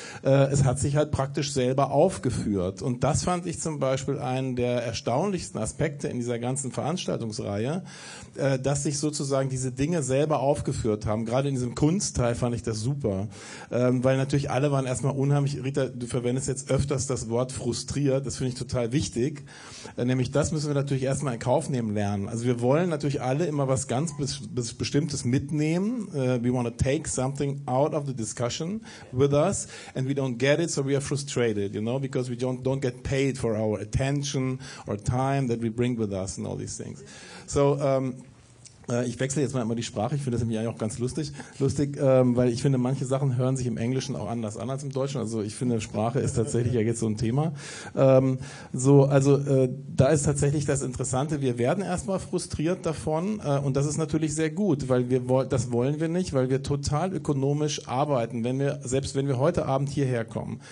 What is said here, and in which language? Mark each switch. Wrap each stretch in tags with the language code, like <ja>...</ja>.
<de>Es hat sich halt praktisch selber aufgeführt und das fand ich zum Beispiel einen der erstaunlichsten Aspekte in dieser ganzen Veranstaltungsreihe, dass sich sozusagen diese Dinge selber aufgeführt haben. Gerade in diesem Kunstteil fand ich das super. Weil natürlich alle waren erstmal unheimlich, Rita, du verwendest jetzt öfters das Wort frustriert, das finde ich total wichtig, nämlich das müssen wir natürlich erstmal in Kauf nehmen lernen. Also wir wollen natürlich alle immer was ganz Bestimmtes mitnehmen,</de> <en>we want to take something out of the discussion with us and we don't get it, so we are frustrated, you know, because we don't get paid for our attention or time that we bring with us and all these things.</en> <de>So, ich wechsle jetzt mal immer die Sprache, ich finde das nämlich auch ganz lustig, weil ich finde, manche Sachen hören sich im Englischen auch anders an als im Deutschen, also ich finde, Sprache ist tatsächlich ja jetzt so ein Thema. Da ist tatsächlich das Interessante, wir werden erstmal frustriert davon und das ist natürlich sehr gut, weil das wollen wir nicht, weil wir total ökonomisch arbeiten, wenn wir heute Abend hierher kommen.</de>